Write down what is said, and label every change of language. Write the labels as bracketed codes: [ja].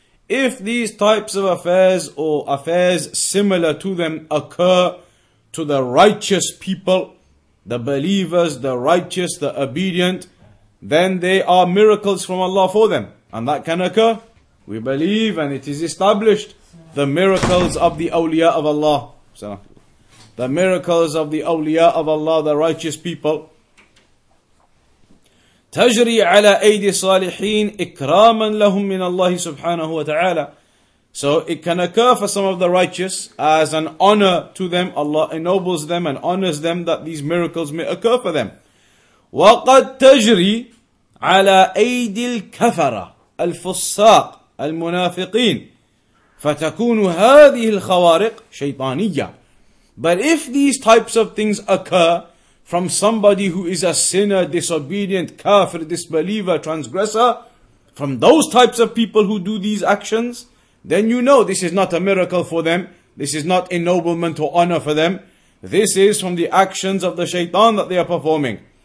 [en] if these types of affairs or affairs similar to them occur to the righteous people, the believers, the righteous, the obedient, then they are miracles from Allah for them. And that can occur. We believe and it is established, the miracles of the awliya of Allah. The miracles of the awliya of Allah, the righteous people. [ar] تجري على أيدي صالحين إكراما لهم من الله سبحانه وتعالى. [en] So it can occur for some of the righteous as an honor to them. Allah ennobles them and honors them that these miracles may occur for them. [ar] وقد تجري على أيدي الكفرة الفساق المنافقين فتكون هذه الخوارق شيطانية. [en] But if these types of things occur from somebody who is a sinner, disobedient, kafir, disbeliever, transgressor, from those types of people who do these actions, then you know this is not a miracle for them. This is not ennoblement or honor for them. This is from the actions of the shaitan that they are performing.